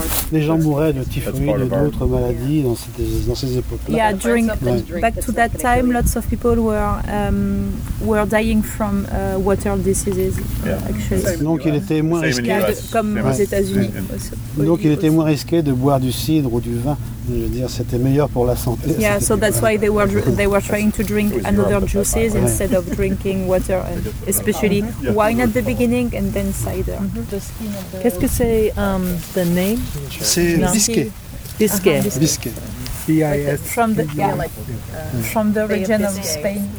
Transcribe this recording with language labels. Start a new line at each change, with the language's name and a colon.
French: Les gens mouraient de typhoïde, d'autres maladies dans ces époques-là.
English: Yeah, during back to that time, lots of people were dying from water diseases. Actually,
French: donc il était moins risqué comme aux États-Unis. Donc il était moins risqué de boire du cidre ou du vin. Je veux dire, c'était meilleur pour la santé.
English: Yeah, so that's why they were trying to drink another juices instead of drinking water, and especially wine at the beginning and then cider.
French: Qu'est-ce que c'est
English: the name?
French: C'est biscuit. Biscuit. Biscuit. B-I-S.
English: From the region of Spain.